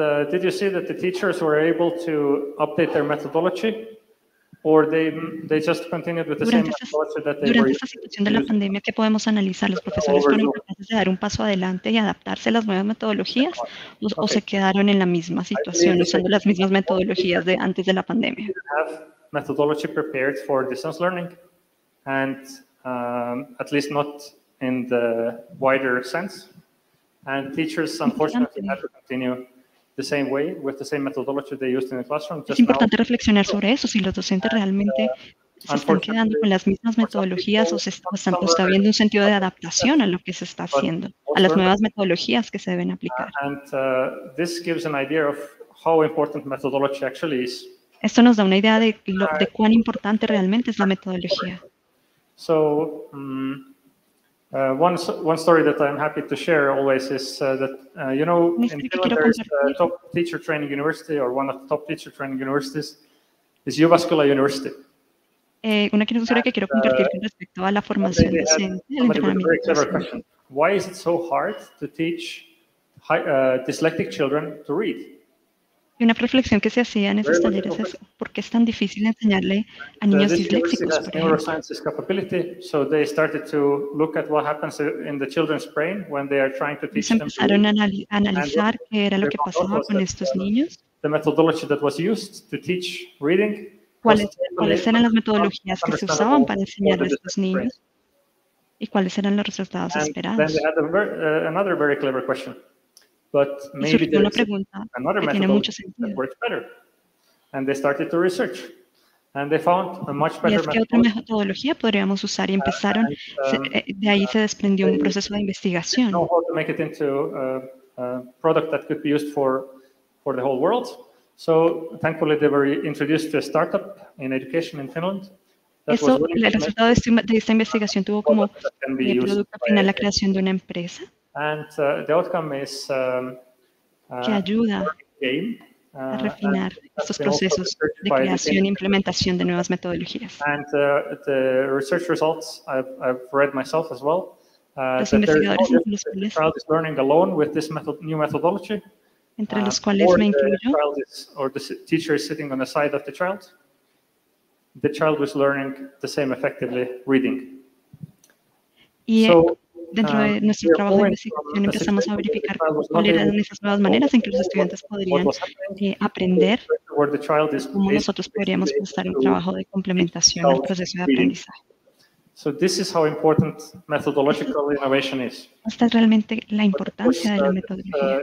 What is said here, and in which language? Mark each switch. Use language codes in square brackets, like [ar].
[en] Did you see that the teachers were able to update their methodology? Or they just continued with the [es] durante [en] same methodology that they [es] durante [en] were [es] esta situación de la pandemia, ¿qué podemos analizar? ¿Los profesores fueron capaces de dar un paso adelante y adaptarse a las nuevas metodologías? ¿O se quedaron en la misma situación usando las mismas metodologías de antes de la pandemia? [en] Methodology prepared for distance learning, and at least not in the wider sense. And teachers, unfortunately, had to continue the same way with the same methodology they used in the classroom. [es] Es importante reflexionar sobre eso, si los docentes realmente se están quedando con las mismas metodologías o se está viendo un sentido de adaptación a lo que se está haciendo, a las nuevas metodologías que se deben aplicar. [en] This gives an idea of how important methodology actually is. [es] Esto nos da una idea de cuán importante realmente es la metodología. [en] So, one story that I'm happy to share always is that, you know, in Finland there's a top teacher training university, or one of the top teacher training universities is Jyväskylä University. [es] Una historia que quiero compartir con respecto a la formación docente. [en] Why is it so hard to teach dyslexic children to read? [es] Y una reflexión que se hacía en esos talleres es, ¿por qué es tan difícil enseñarle a niños disléxicos, por ejemplo? [en] Neurosciences capability, so they started to look at what happens in the children's brain when they are trying to teach them. [es] Empezaron a analizar qué era lo que pasaba con estos niños. [en] The methodology that was used to teach reading. [es] ¿Cuáles eran las metodologías que se usaban para enseñarle a estos niños? ¿Y cuáles eran los resultados esperados? [en] And then they had another very clever question. But maybe there's another method that works better. And they started to research. And they found a much better [es] method. ¿Y es que otra metodología podríamos usar? Y empezaron, de ahí se desprendió un proceso de investigación. [en] They know how to make it into a product that could be used for the whole world. So, thankfully, they were introduced to a startup in education in Finland. [es] Eso, el resultado de esta investigación tuvo como producto final la creación de una empresa. [en] And the outcome is [es] que ayuda a refinar estos procesos de creación e implementación de nuevas metodologías. [en] And the research results I've read myself as well. [es] Los investigadores, [en] child is learning alone with this new methodology. [es] Entre los cuales me incluyo. [en] Or the teacher is sitting on the side of the child was learning the same effectively reading. [es] Y so, dentro de nuestro trabajo de investigación empezamos a verificar cuáles eran esas nuevas maneras en que los estudiantes podrían aprender, cómo nosotros podríamos prestar un trabajo de complementación al proceso de aprendizaje. [en] So this is how important methodological innovation is. [es] Esta es realmente la importancia de la metodología.